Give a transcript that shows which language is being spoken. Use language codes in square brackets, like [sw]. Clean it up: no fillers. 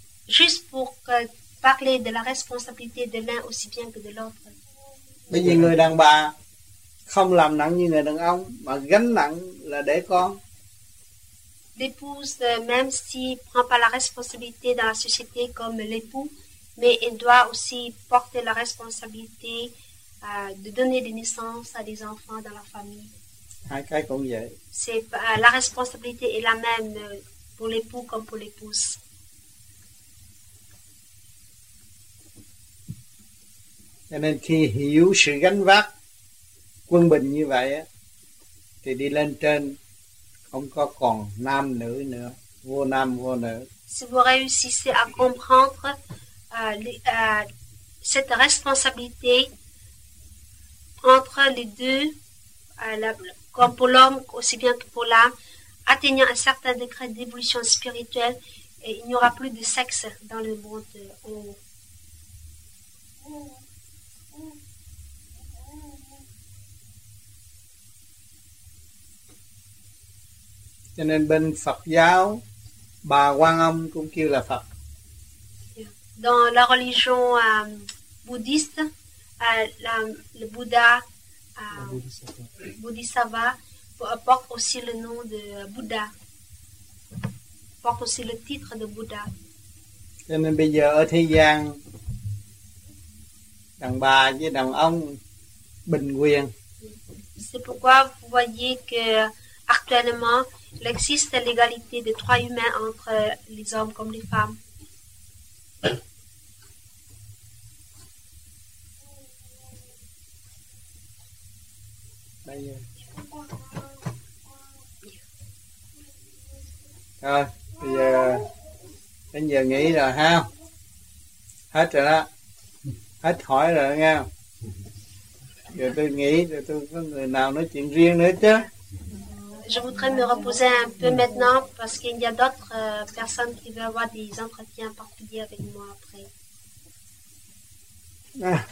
[fr] Juste pour parler de la responsabilité de l'un aussi bien que de l'autre. [vi] Bởi vì người đàn bà không làm nặng như người đàn ông, mà gánh nặng là để con. [fr] L'épouse, même si prend pas la responsabilité dans la société comme l'époux, mais elle doit aussi porter la responsabilité de donner des naissances à des enfants dans la famille. [vi] Hai cái cũng vậy. [fr] C'est la responsabilité est la même pour l'époux comme pour l'épouse. [vi] Cho nên khi hiểu sự gánh vác quân bình như vậy thì đi lên trên không có còn nam nữ nữa, vô nam vô nữ. [fr] Si vous réussissez à comprendre cette responsabilité entre les deux, comme pour l'homme aussi bien que pour l'âme, atteignant un certain degré d'évolution spirituelle, et il n'y aura plus de sexe dans le monde en haut. [vi] Cho nên bên Phật giáo, bà Quan Âm cũng kêu là Phật. [fr] Dans la religion bouddhiste, le Bouddha, Bodhisattva, porte aussi le nom de Bouddha, porte aussi le titre de Bouddha. [vi] Cho nên bây giờ ở thế gian, đàn bà với đàn ông bình quyền. [fr] C'est pourquoi vous voyez que actuellement il existe l'égalité des droits humains entre les hommes comme les femmes. [vi] Đây. Rồi, bây giờ đến giờ nghỉ rồi ha. Hết rồi đó. Hết hỏi rồi nghe. Giờ tôi nghĩ rồi tôi có người nào nói chuyện riêng nữa chứ. [fr] Je voudrais me reposer un peu maintenant parce qu'il y a d'autres personnes qui veulent avoir des entretiens particuliers avec moi après.